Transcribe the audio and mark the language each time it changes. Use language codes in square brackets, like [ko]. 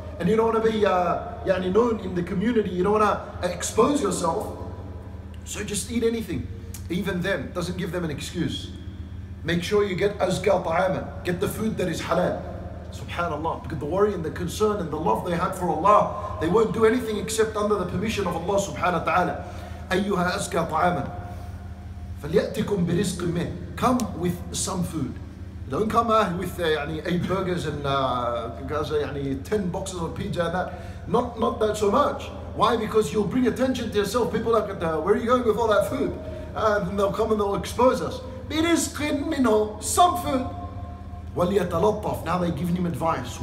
[en] And you don't want to be yani known in the community. You don't want to expose yourself. So just eat anything. Even then, doesn't give them an excuse. Make sure you get [ar] azka ta'aman. [en] Get the food that is halal. Subhanallah. Because the worry and the concern and the love they had for Allah, they won't do anything except under the permission of Allah subhanahu wa ta'ala. [ar] أَيُّهَا أَزْكَى طَعَامًا فَلْيَأْتِكُمْ بِرِزْقٍ مِنْ [en] Come with some food. Don't come with eight burgers and 10 boxes of pizza and that. Not that so much. Why? Because you'll bring attention to yourself. People are like, where are you going with all that food? And they'll come and they'll expose us. [ar] بِرِزْقٍ مِنْهُ [en] Some food. [ar] وَلْيَتَلَطَّفْ [en] Now they're giving him advice.